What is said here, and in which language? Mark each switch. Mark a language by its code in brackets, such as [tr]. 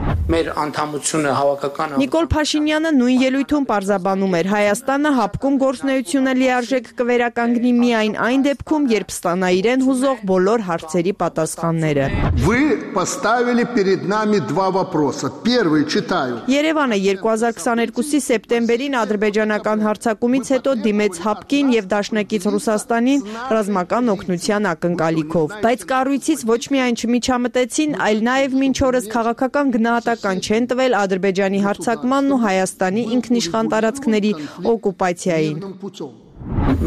[hy] Նիկոլ Փաշինյանը նույն ելույթում պարզաբանում էր, Հայաստանը ՀԱՊԿ-ում գործունեությունը լիարժեք կվերականգնի միայն այն դեպքում, երբ ստանա իրեն հուզող բոլոր հարցերի պատասխանները։ [ru] Вы поставили перед нами два вопроса. Первый читаю. [hy] Երևանը 2022-ի սեպտեմբերին ադրբեջանական հարձակումից հետո դիմեց ՀԱՊԿ-ին եւ Դաշնակից Ռուսաստանին ռազմական օգնության ակնկալիքով, բայց կառույցից ոչ միայն չմիջամտեցին, այլ նաեւ մինչ օրս քաղաքական գնահատական չեն տվել ադրբեջանի հարձակմանն ու Հայաստանի ինքնիշխան տարածքների օկուպացիային։